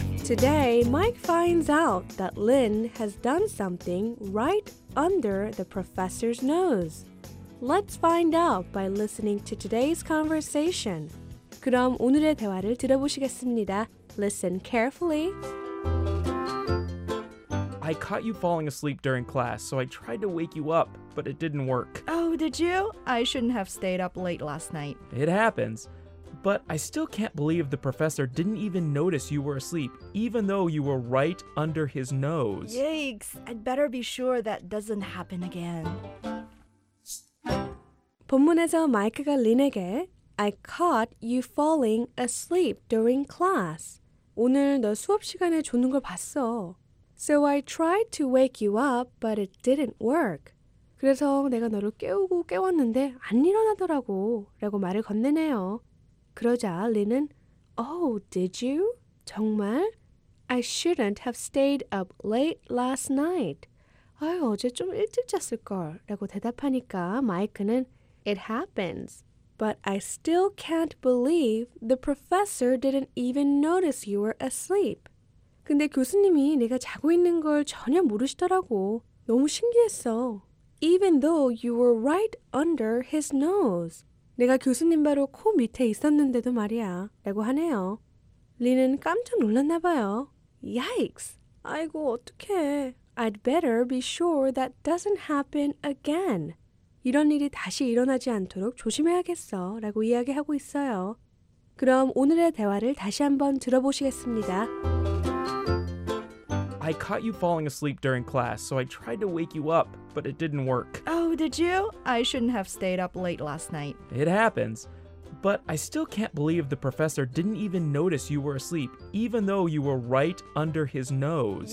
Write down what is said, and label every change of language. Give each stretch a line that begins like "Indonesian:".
Korean: 오늘
English: Mike finds out that Lynn has done something right under the professor's nose. Let's find out by listening to today's conversation.
Korean: 그럼 오늘의 대화를 들어보시겠습니다.
English: Listen carefully. I caught you falling asleep during class, so I tried to wake you up, but it didn't work. Oh, did you? I shouldn't have stayed up late last night. It happens. But I still can't believe the professor didn't even notice you were asleep, even though you were right under his nose. Yikes! I'd better be sure that doesn't happen again.
Korean: 본문에서 마이크가 린에게
English: I caught you falling asleep during class.
Korean: 오늘 너 수업 시간에 졸는 걸 봤어.
English: So I tried to wake you up, but it didn't work.
Korean: 그래서 내가 너를 깨우고 깨웠는데 안 일어나더라고 라고 말을 건네네요. 그러자 린은
English: Oh, did you?
Korean: 정말?
English: I shouldn't have stayed up late last night.
Korean: 아유, 어제 좀 일찍 잤을걸 라고 대답하니까 마이크는
English: It happens. But I still can't believe the professor didn't even notice you were asleep.
Korean: 근데 교수님이 내가 자고 있는 걸 전혀 모르시더라고. 너무 신기했어.
English: Even though you were right under his nose.
Korean: 내가 교수님 바로 코 밑에 있었는데도 말이야 라고 하네요. 린은 깜짝 놀랐나 봐요.
English: Yikes!
Korean: 아이고 어떡해.
English: I'd better be sure that doesn't happen again.
Korean: 이런 일이 다시 일어나지 않도록 조심해야겠어 라고 이야기하고 있어요. 그럼 오늘의 대화를 다시 한번 들어보시겠습니다.
English: I caught you falling asleep during class, so I tried to wake you up, but it didn't work. Oh, did you? I shouldn't have stayed up late last night. It happens. But I still can't believe the professor didn't even notice you were asleep, even though you were right under his nose.